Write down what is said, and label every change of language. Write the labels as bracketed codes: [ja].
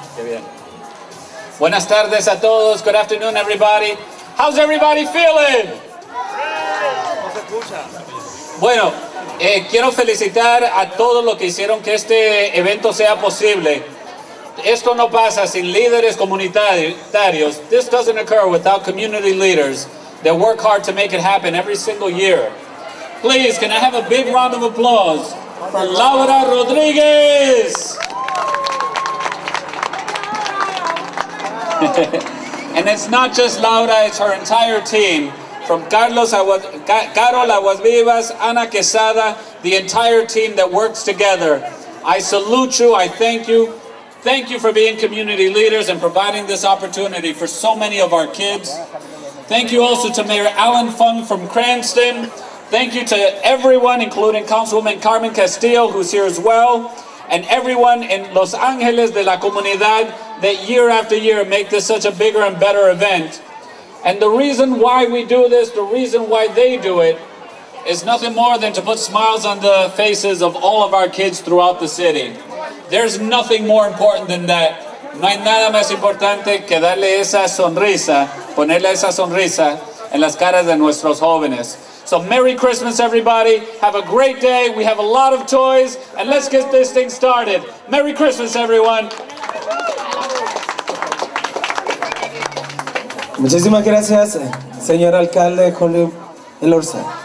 [es] Qué bien. Buenas tardes a todos. [en] Good afternoon, everybody. How's everybody feeling? [es] Bueno, quiero felicitar a todos los que hicieron que este evento sea posible. Esto no pasa sin líderes comunitarios. [en] This doesn't occur without community leaders that work hard to make it happen every single year. Please, can I have a big round of applause for Laura Rodriguez? And it's not just Laura, it's her entire team. From Carol Aguasvivas, Ana Quesada, the entire team that works together. I salute you, I thank you. Thank you for being community leaders and providing this opportunity for so many of our kids. Thank you also to Mayor Alan Fung from Cranston. Thank you to everyone, including Councilwoman Carmen Castillo, who's here as well, and everyone in [es] Los Angeles de la Comunidad [en] that year after year make this such a bigger and better event. And the reason why we do this, the reason why they do it, is nothing more than to put smiles on the faces of all of our kids throughout the city. There's nothing more important than that. [es] No hay nada más importante que darle esa sonrisa, ponerle esa sonrisa en las caras de nuestros jóvenes. [en] So Merry Christmas, everybody. Have a great day. We have a lot of toys, and let's get this thing started. Merry Christmas, everyone. [es] Muchísimas gracias, señor alcalde Jorge Elorza.